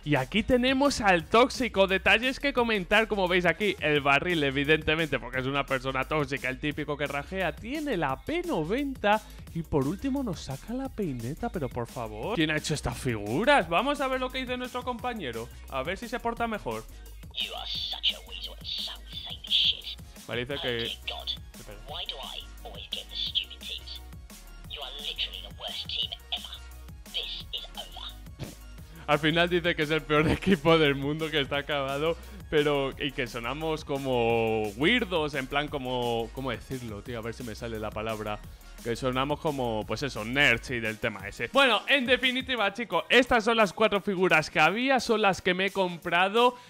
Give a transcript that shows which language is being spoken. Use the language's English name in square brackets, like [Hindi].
[Spanish] Y aquí tenemos al tóxico. Detalles que comentar, como veis aquí, el barril, evidentemente, porque es una persona tóxica, el típico que rajea, tiene la P90 y por último nos saca la peineta. Pero por favor, ¿quién ha hecho estas figuras? Vamos a ver lo que dice nuestro compañero, a ver si se porta mejor. [English] You are such a weasel and so insane as shit. [Spanish] Vale, dice que... [English] God, why do I always get the stupid teams? You are literally the worst team ever. This is over. [Spanish] Al final dice que es el peor equipo del mundo, que está acabado, pero... y que sonamos como weirdos, en plan como... ¿cómo decirlo, tío? A ver si me sale la palabra... que sonamos como, pues eso, nerds y del tema ese. Bueno, en definitiva, chicos, estas son las 4 figuras que había, son las que me he comprado.